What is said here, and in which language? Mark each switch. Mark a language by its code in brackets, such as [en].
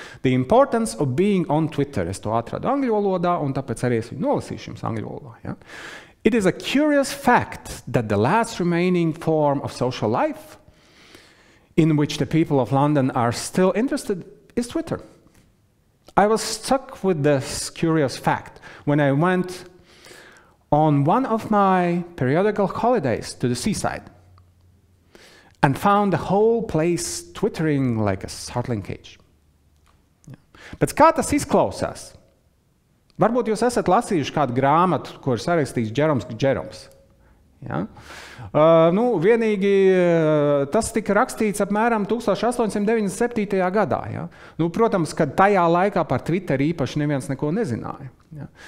[en] The importance of being on Twitter. [lv] Es to atradu angļu valodā, un tāpēc arī es viņu nolasīšu jums angļu valodā, ja? [en] It is a curious fact that the last remaining form of social life in which the people of London are still interested is Twitter. I was stuck with this curious fact when I went on one of my periodical holidays to the seaside and found the whole place twittering like a startling cage. [lv] Yeah. Bet kā tas izklausās? Varbūt jūs esat lasījuši kādu grāmatu, kur ir sarakstījis Jeroms. Ja? Nu, vienīgi tas tika rakstīts apmēram 1897. Gadā. Ja? Nu, protams, kad tajā laikā par Twitter īpaši neviens neko nezināja. Ja?